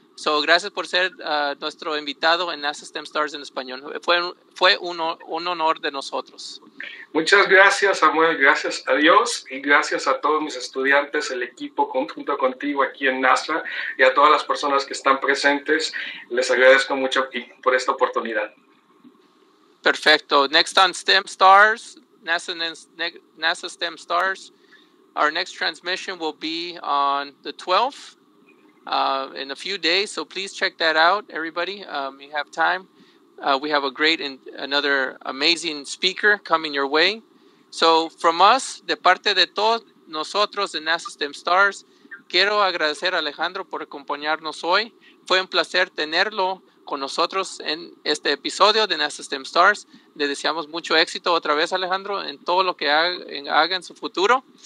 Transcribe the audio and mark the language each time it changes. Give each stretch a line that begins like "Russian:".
Spanish: So, gracias por ser nuestro invitado en NASA STEM Stars en español. Fue un honor de nosotros. Muchas gracias, Samuel. Gracias a Dios y gracias a todos mis estudiantes, el equipo junto contigo aquí en NASA y a todas las personas que están presentes. Les agradezco mucho por esta oportunidad. Perfecto.
English: Next on STEM Stars, NASA STEM Stars, our next transmission will be on the 12th. In a few days, so please check that out, everybody. You have time. We have a great and another amazing speaker coming your way. So from us,
Spanish: de parte de todos nosotros de NASA STEM Stars, quiero agradecer a Alejandro por acompañarnos hoy. Fue un placer tenerlo con nosotros en este episodio de NASA STEM Stars. Le deseamos mucho éxito otra vez, Alejandro, en todo lo que haga en su futuro.